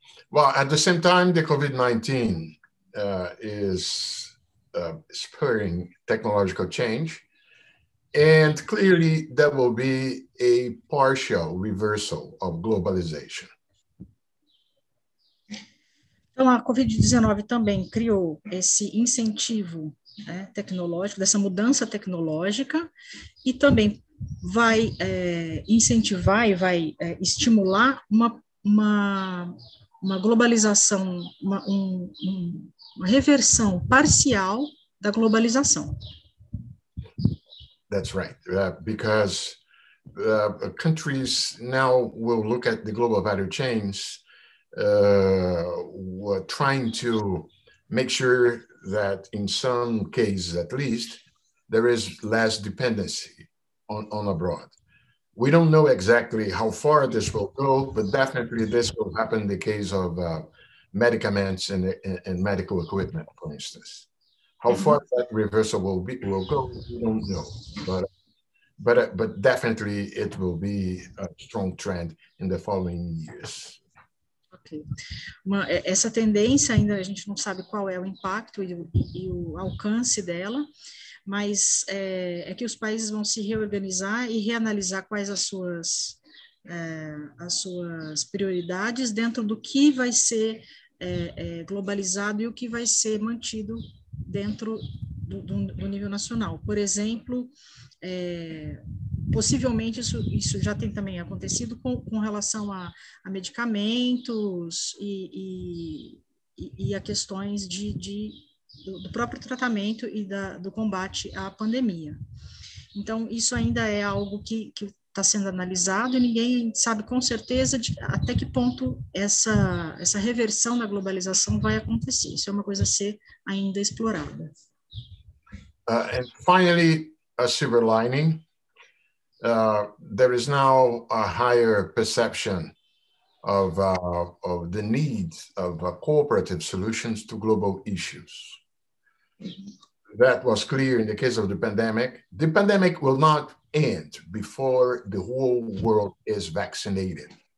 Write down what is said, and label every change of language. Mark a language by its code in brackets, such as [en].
[en] Well, at the same time, the COVID-19 is spurring technological change, and clearly that will be a partial reversal of globalization. [pt] Então, a COVID-19 também criou esse incentivo, né, tecnológico, dessa mudança tecnológica, e também vai incentivar e vai estimular uma globalização, uma reversão parcial da globalização. [en] That's right, because countries now will look at the global value chains, trying to make sure that in some cases, at least, there is less dependency on abroad. We don't know exactly how far this will go, but definitely this will happen in the case of medicaments and medical equipment, for instance. How far that reversal will go, we don't know, but definitely it will be a strong trend in the following years. Okay. [pt] Essa tendência ainda a gente não sabe qual é o impacto e o alcance dela. Mas é que os países vão se reorganizar e reanalisar quais as suas prioridades dentro do que vai ser globalizado e o que vai ser mantido dentro do nível nacional. Por exemplo, possivelmente isso já tem também acontecido com relação a medicamentos e a questões do próprio tratamento e do combate à pandemia. Então, isso ainda é algo que está sendo analisado e ninguém sabe com certeza até que ponto essa reversão da globalização vai acontecer. Isso é uma coisa a ser ainda explorada. [en] And finally, a silver lining. There is now a higher perception of the need of cooperative solutions to global issues. That was clear in the case of the pandemic. The pandemic will not end before the whole world is vaccinated.